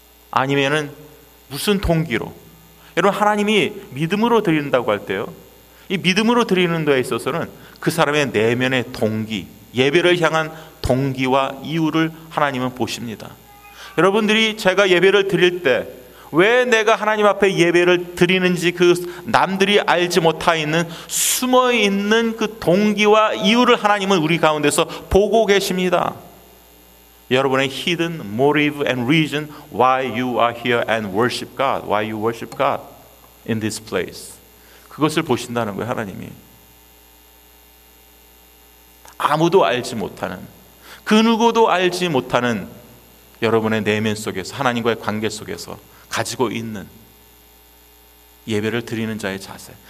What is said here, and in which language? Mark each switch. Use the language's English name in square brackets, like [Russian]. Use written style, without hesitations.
[Korean] 아니면은 무슨 동기로? 여러분 하나님이 믿음으로 드린다고 할 때요, 이 믿음으로 드리는 데 있어서는 그 사람의 내면의 동기, 예배를 향한 동기와 이유를 하나님은 보십니다. 여러분들이 제가 예배를 드릴 때 왜 내가 하나님 앞에 예배를 드리는지 그 남들이 알지 못하 있는 숨어 있는 그 동기와 이유를 하나님은 우리 가운데서 보고 계십니다. 여러분의 [English] hidden motive and reason why you are here and worship God, why you worship God in this place. [Korean] 그것을 보신다는 거예요, 하나님이. 아무도 알지 못하는, 그 누구도 알지 못하는 여러분의 내면 속에서, 하나님과의 관계 속에서 가지고 있는 예배를 드리는 자의 자세.